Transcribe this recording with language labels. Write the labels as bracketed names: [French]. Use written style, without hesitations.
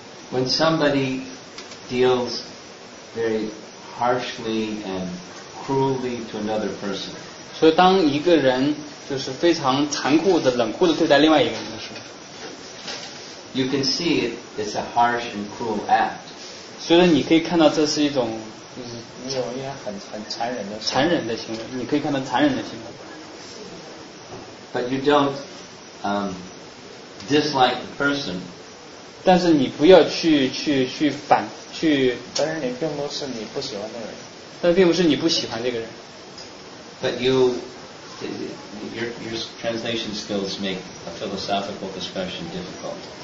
[English] When somebody deals very harshly and cruelly to another person, [Chinese] 所以当一个人就是非常残酷的、冷酷的对待另外一个人的时候， [English] you can see it is a harsh and cruel act. [Chinese] 所以你可以看到这是一种很残忍的行为。你可以看到残忍的行为。 [English] But you don't dislike the person. [Chinese] 但是你不要去反去，但是你并不是你不喜欢那个人，但并不是你不喜欢这个人。 [English] But your translation skills make a philosophical discussion difficult.